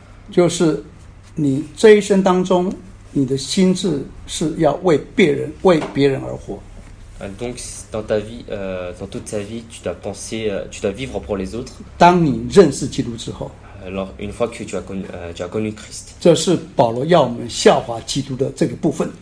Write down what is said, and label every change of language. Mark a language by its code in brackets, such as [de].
[zh] 就是你这一生当中，你的心智是要为别人而活。 [fr] Donc dans ta vie, dans toute ta vie, tu dois penser, tu dois vivre pour les autres. [zh] 当你认识基督之后。 [fr] Alors une fois que tu as connu Christ. [zh] 这是保罗要我们效法基督的这个部分。